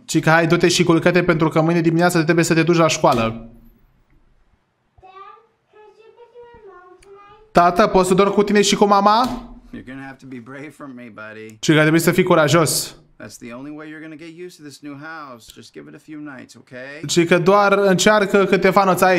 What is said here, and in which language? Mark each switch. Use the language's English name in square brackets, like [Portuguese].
[Romanian] Chica, hai, du-te și culcă-te pentru că mâine dimineață trebuie să te duci la școală. Tata, poți să dormi cu tine și cu mama? [English] You're gonna have to be brave for me, buddy. [Romanian] Chica, trebuie să fii curajos. [English] That's the only way you're gonna get used to this new house. Just give it a few nights, okay? [Romanian] Chica, doar încearcă câteva nopți aici.